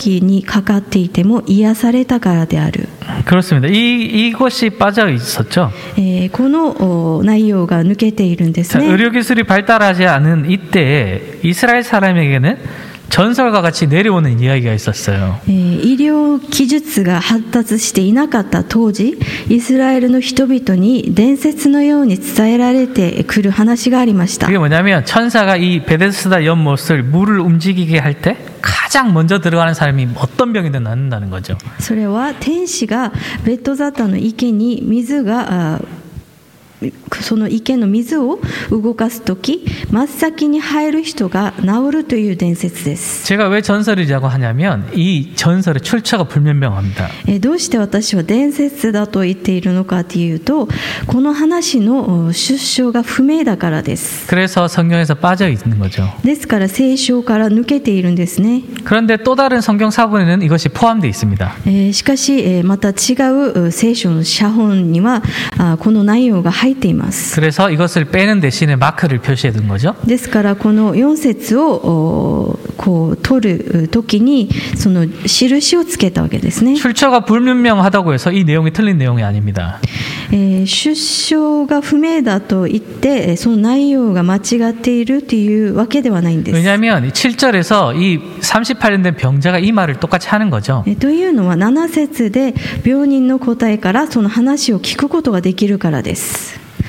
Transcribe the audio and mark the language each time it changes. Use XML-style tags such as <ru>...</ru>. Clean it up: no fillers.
<ja>それは時々主の御使いがこの池に降りてきて水を動かすことがあるが水が動いた時真っ先に入るものはどんな病気にかかっていても癒されたからである.</ja> <ko>그렇습니다. 이곳이 빠져 있었죠.</ko> <ja>この内容が抜けているんですね.</ja> <ko>의료기술이 발달하지 않은 이때 이스라엘 사람에게는 전설과 같이 내려오는 이야기가 있었어요. 의료기술이 발달하지 않았던 당시</ko> <ja>이스라엘の人々に伝説のように伝えられてくる話がありました.</ja> <ko>그게 뭐냐면 천사가 이 베데스다 연못을 물을 움직이게 할 때 가장 먼저 들어가는 사람이 어떤 병이든 낫는다는 거죠.</ko> <ja>그것은 天使がベトザタの池に水がその池の水を動かすとき真っ先に入る人が治るという伝説です。</ja> <ko>제가왜전설이라고하냐면이전설의출처가불분명합니다</ko> <ja>どうして私は伝説だと言っているのかというとこの話の出所が不明だからです。</ja> <ko>그래서성경에서빠져있는거죠</ko> <ja>ですから聖書から抜けているんですね。</ja> <ko>그런데또다른성경사본에는이것이포함되어있습니다</ko> <ja>しかしまた違う聖書の写本にはこの内容が入っています。</ja> <ko>그래서이것을빼는대신에마크를표시해둔거죠</ko> <ja>ですからこの4節をこう取る時にその印をつけたわけですね。</ja> <ko>출처가불분명하다고해서이내용이틀린내용이아닙니다</ko> <ja>出生が不明だと言ってその内容が間違っているというわけではないんです。</ja> <ko>왜냐면7절에서이38년된병자가이말을똑같이하는거죠</ko> <ja>というのは7節で病人の答えからその話を聞くことができるからです。</ja>